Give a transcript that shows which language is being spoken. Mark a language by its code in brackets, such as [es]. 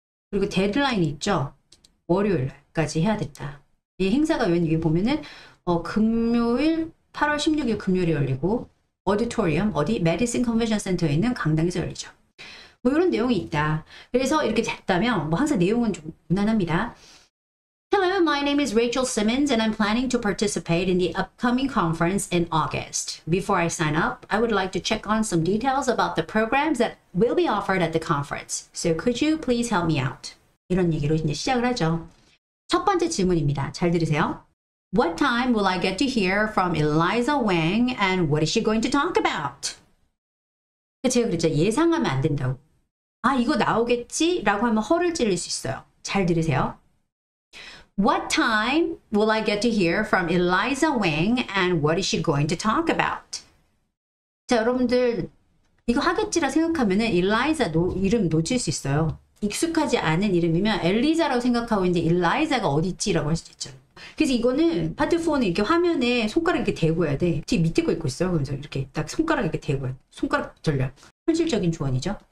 [ko] 그리고 데드라인 있죠? 월요일까지 해야 됐다. 이 행사가 웬 이게 보면은 금요일 8월 16일 금요일에 열리고 Auditorium, 어디? Madison Convention Center에 있는 강당에서 열리죠. 뭐, 이런 내용이 있다. 그래서 이렇게 됐다면, 뭐, 항상 내용은 좀 무난합니다. [en] Hello, my name is Rachel Simmons, and I'm planning to participate in the upcoming conference in August. Before I sign up, I would like to check on some details about the programs that will be offered at the conference. So, could you please help me out? [ko] 이런 얘기로 이제 시작을 하죠. 첫 번째 질문입니다. 잘 들으세요. [en] What time will I get to hear from Eliza Wang and what is she going to talk about? [ko] 제가 그랬죠. 예상하면 안 된다고. 이거 나오겠지라고 하면 허를 찌를 수 있어요. 잘 들으세요. [en] What time will I get to hear from Eliza Wang and what is she going to talk about? [ko] 자, 여러분들 이거 하겠지라 생각하면은 Eliza 이름 놓칠 수 있어요. 익숙하지 않은 이름이면 엘리자라고 생각하고 이제 Eliza가 어디 있지라고 할 수도 있죠. 그래서 이거는 파트4는 이렇게 화면에 손가락 이렇게 대고 해야 돼. 뒤 밑에 거 읽고 있어요. 그래서 이렇게 딱 손가락 이렇게 대고 해야 돼. 손가락 돌려. 현실적인 조언이죠.